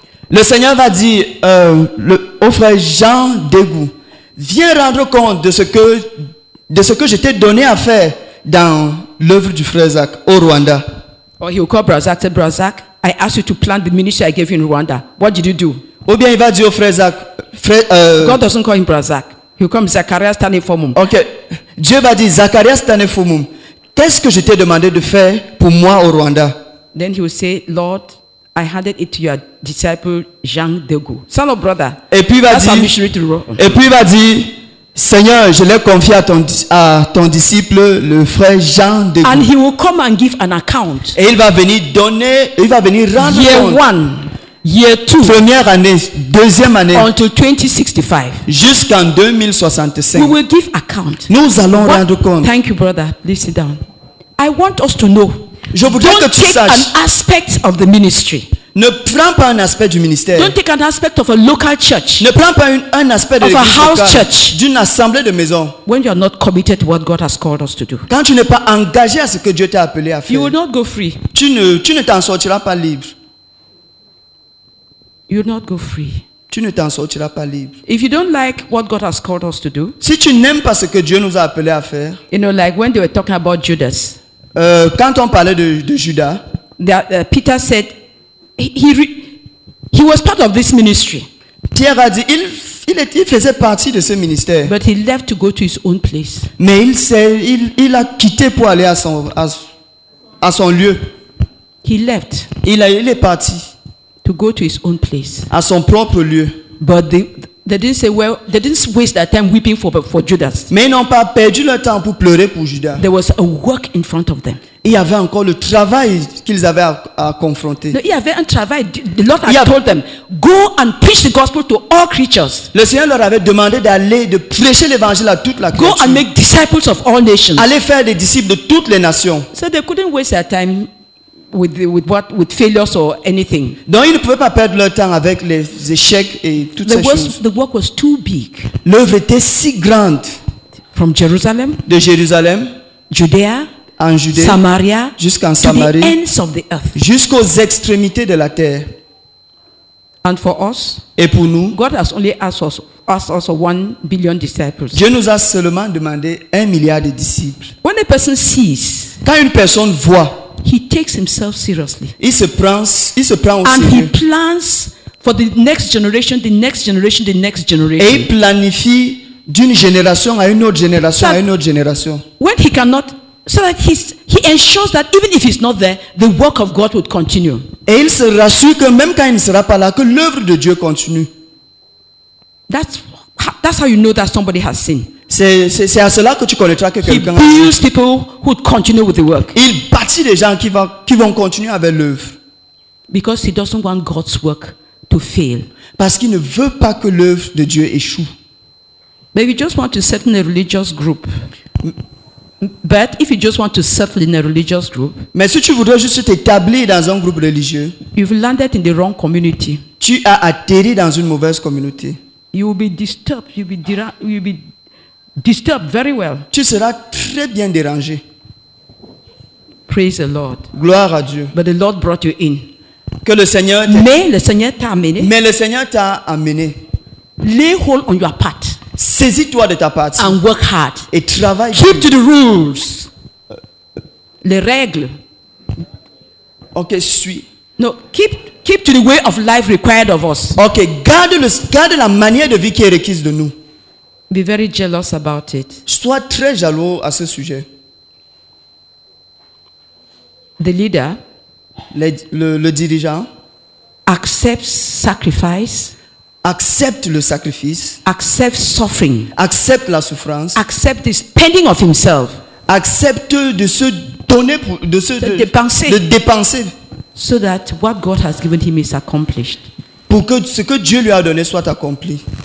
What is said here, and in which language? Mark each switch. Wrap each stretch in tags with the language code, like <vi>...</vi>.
<fr>Le Seigneur va dire au frère Jean Dogo, viens rendre compte de ce que je t'ai donné à faire dans l'œuvre du frère Zach au Rwanda.</fr> <en>Or he will call Brother Zach, say, Brother Zach, I asked you to plant the ministry I gave you in Rwanda. What did you do?</en> <fr>Ou bien il va dire au frère Zach,</fr> <en>God doesn't call him Brother Zach. He will call him Zacharias Tanefomum. Ok.</en> <fr>Dieu va dire, Zacharias Tanefomum, qu'est-ce que je t'ai demandé de faire pour moi au Rwanda?</fr> <en>Then he will say, Lord, I handed it to your disciple Jean Dego. Son of brother.</en> <fr>Et puis il va dire. Et puis il va dire, Seigneur, je l'ai confié à ton disciple, le frère Jean Dego.</fr> <en>And he will come and give an account.</en> <fr>Et il va venir donner, il va venir rendre</fr> <en>year</en> <fr>compte.</fr> <en>One, year two.</en> <fr>Première année, deuxième année.</fr> <en>Until 2065.</en> <fr>Jusqu'en 2065.</fr> <en>We will give account.</en> <fr>Nous allons what? Rendre compte.</fr> <en>Thank you, brother. Please sit down. I want us to know.</en> <fr>Je voudrais</fr> <en>don't</en> <fr>que tu</fr> <en>take</en> <fr>saches.</fr> <en>An aspect of the ministry.</en> <fr>Ne prends pas un aspect du ministère.</fr> <en>Don't take an aspect of a local church.</en> <fr>Ne prends pas un aspect</fr> <en>of</en> <fr>de</fr> <en>a house</en> <fr>locale,</fr> <en>church.</en> <fr>D'une assemblée de maison.</fr> <en>When you are not committed to what God has called us to do.</en> <fr>Quand tu n'es pas engagé à ce que Dieu t'a appelé à faire.</fr> <en>You will not go free.</en> <fr>Tu ne t'en sortiras pas libre.</fr> <en>You will not go free.</en> <fr>Tu ne t'en sortiras pas libre.</fr> <en>If you don't like what God has called us to do.</en> <fr>Si tu n'aimes pas ce que Dieu nous a appelé à faire.</fr> <en>You know, like when they were talking about Judas.</en> <fr>Quand on parlait de Judas,</fr> <en>Peter said he was part of this ministry.</en> <fr>Pierre a dit il faisait partie de ce ministère.</fr> <en>But he left to go to his own place.</en> <fr>Mais il a quitté pour aller à son lieu.</fr> <en>He left.</en> <fr>Il est parti.</fr> <en>To go to his own place.</en> <fr>À son propre lieu.</fr> <en>But they didn't say well. They didn't waste their time weeping for Judas.</en> <fr>Mais ils n'ont pas perdu leur temps pour pleurer pour Judas.</fr> <en>There was a work in front of them.</en> <fr>Il y avait encore le travail qu'ils avaient à confronter. No, il y avait un travail.</fr> <en>The Lord had told them, go and preach the gospel to all creatures.</en> <fr>Le Seigneur leur avait demandé d'aller de prêcher l'évangile à toute la</fr> <en>création. Go and make disciples of all nations.</en> <fr>Aller faire des disciples de toutes les nations.</fr> <en>So they couldn't waste their time with failures or anything.</en> <fr>Donc ils ne pouvaient pas perdre leur temps avec les échecs et toutes ces choses.</fr> <en>The work was too big.</en> <fr>L'œuvre était si grande.</fr> <en>From Jerusalem.</en> <fr>De Jérusalem.</fr> <en>Judea.</en> <fr>En Judée.</fr> <en>Samaria.</en> <fr>Jusqu'en Samarie.</fr> <en>To the ends of the earth.</en> <fr>Jusqu'aux extrémités de la terre.</fr> <en>And for us.</en> <fr>Et pour nous.</fr> <en>God has only asked us 1 billion disciples.</en> <fr>Dieu nous a seulement demandé 1 milliard de disciples.</fr> <en>When a person sees.</en> <fr>Quand une personne voit.</fr> <en>He takes himself seriously.</en> <fr>Il se prend au</fr> <en>and</en> <fr>sérieux.</fr> <en>And he plans for the next generation, the next generation, the next generation.</en> <fr>Et il planifie d'une génération à une autre génération, à une autre génération.</fr> <en>When he cannot, so that he ensures that even if he's not there, the work of God would continue.</en> <fr>Et il se rassure que même quand il ne sera pas là, que l'œuvre de Dieu continue.</fr> <en>That's how you know that somebody has seen.</en> <fr>C'est à cela que tu connaîtras que quelqu'un a</fr> <en>vu. People who continue with the work.</en> <fr>Il bâtit des gens qui vont continuer avec l'œuvre.</fr> <en>Because he doesn't want God's work to fail.</en> <fr>Parce qu'il ne veut pas que l'œuvre de Dieu échoue.</fr> <en>But if you just want to settle in a religious group. But if you just want to settle in a religious group.</en> <fr>Mais si tu voudrais juste t'établir dans un groupe religieux.</fr> <en>You've landed in the wrong community.</en> <fr>Tu as atterri dans une mauvaise communauté.</fr> <en>You will be disturbed. You will be disturbed very well.</en> <fr>Tu seras très bien dérangé.</fr> <en>Praise the Lord.</en> <fr>Gloire à Dieu.</fr> <en>But the Lord brought you in.</en> <fr>Que le Seigneur t'a... Mais le Seigneur t'a amené. Mais le Seigneur t'a amené.</fr> <en>Lay hold on your part.</en> <fr>Saisis-toi de ta partie.</fr> <en>And work hard.</en> <fr>Et travaille.</fr> <en>Keep to the rules.</en> <fr>Les règles. Ok, suis.</fr> <en>No, keep to the way of life required of us.</en> <fr>Ok, garde la manière de vie qui est requise de nous.</fr> <en>Be very jealous about it.</en> <fr>Sois très jaloux à ce sujet.</fr> <en>The leader,</en> <fr>le dirigeant,</fr> <en>accepts sacrifice.</en> <fr>Accepte le sacrifice.</fr> <en>Accepte suffering.</en> <fr>Accepte la souffrance.</fr> <en>Accepte the spending of himself.</en> <fr>Accepte de se donner pour de dépenser.</fr> <en>So that what God has given him is accomplished.</en> <fr>Pour que ce que Dieu lui a donné soit accompli.</fr>